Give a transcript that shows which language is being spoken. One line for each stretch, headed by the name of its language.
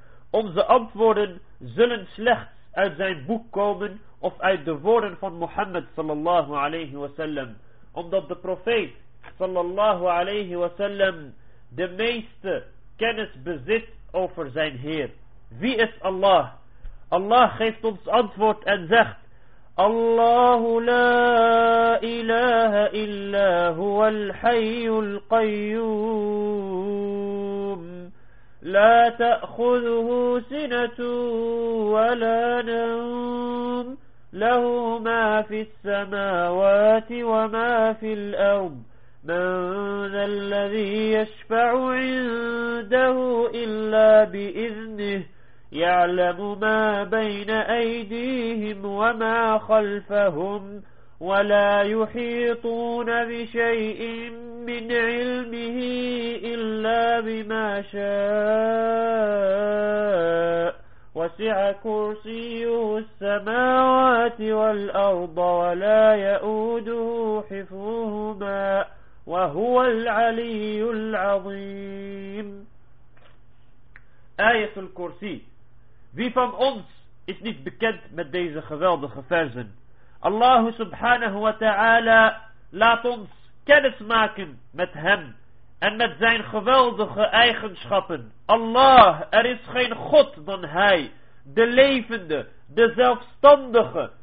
Dutch: Onze antwoorden zullen slechts uit zijn boek komen of uit de woorden van Mohammed
Arabic: sallallahu alayhi wa sallam,
Dutch: omdat de profeet sallallahu alayhi wa sallam de meeste kennis bezit over zijn Heer. Wie is Allah? Allah geeft ons antwoord en zegt:
Arabic: Allahu la ilaha illa huwal hayyul qayyum la ta'khudhuhu sinatun wa la nawm lahu ma fis samawati wa ma fil ard من ذا الذي يشفع عنده إلا بإذنه يعلم ما بين أيديهم وما خلفهم ولا يحيطون بشيء من علمه إلا بما شاء وسع كرسيه السماوات والأرض ولا يؤوده حفظهما وهو العلي العظيم. Ayatul Kursi.
Dutch: Wie van ons is niet bekend met deze geweldige verzen? Allah
Arabic: subhanahu wa ta'ala
Dutch: laat ons kennis maken met hem en met zijn geweldige eigenschappen. Allah, er is geen God dan hij, de levende, de zelfstandige.